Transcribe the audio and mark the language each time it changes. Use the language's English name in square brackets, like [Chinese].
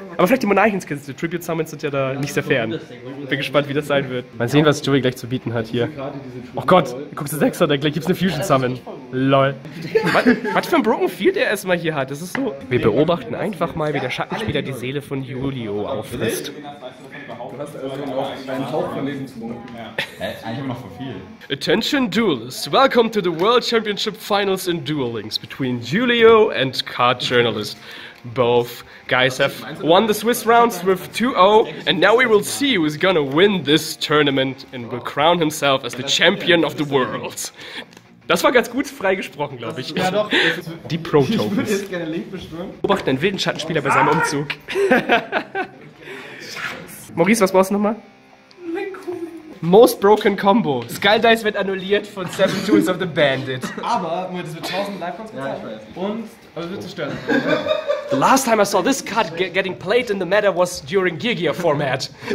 [German] Aber vielleicht die Monarchen-Skills, die Tribute Summons sind ja da nicht sehr fern. Bin gespannt, wie das sein wird. Mal sehen, was Joey gleich zu bieten hat hier. Oh Gott, guckst du 6er, da gleich gibt es eine Fusion Summon. LOL. Was für ein Broken Field er erstmal hier hat, das ist so. Wir beobachten einfach mal, wie der Schattenspieler die Seele von Julio auffrisst. [English] Attention Duelists, welcome to the World Championship Finals in Duel Links between Julio and Card Journalist. Both guys have won the Swiss rounds with 2-0, and now we will see who is gonna win this tournament and will crown himself as the champion of the world. [German] Das war ganz gut freigesprochen, glaube ich. Ja, doch. Die Pro Tokens. Ich würde jetzt gerne Link bestimmen. Beobachte einen wilden Schattenspieler bei seinem Umzug. Maurice, was brauchst du nochmal? Mein Kugel. [English] Most Broken Combo. [German] Skulldice wird annulliert von Seven Tools of the Bandit. Aber, Moment, das wird 1000 Live-Cons bezahlt. Ja, ich weiß. Und, aber es wird zerstört. [English] The last time I saw this card getting played in the meta was during Gear Gear Format.